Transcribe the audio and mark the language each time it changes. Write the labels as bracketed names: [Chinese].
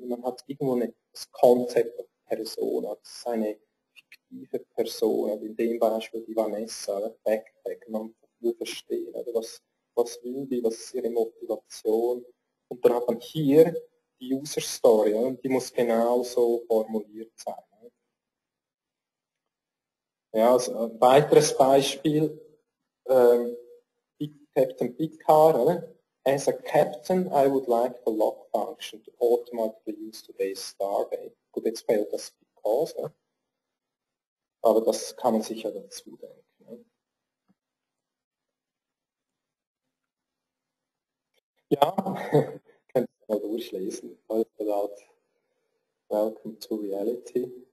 [German] Man hat irgendwo das Konzept der Person, das ist eine fiktive Person, oder, in dem Beispiel die Vanessa, oder, Backpack, man will verstehen, oder, was will die, was ist ihre Motivation. Und dann hat man hier die User Story, oder, die muss genauso formuliert sein. Ja, also ein weiteres Beispiel, Captain Picard, oder? [English] As a captain, I would like the log function to automatically use today's Starbay. [German] Gut, jetzt fehlt das because, oder? Aber das kann man sicher dazu denken. Oder? Ja, könnt ihr mal durchlesen. [English] Welcome to reality.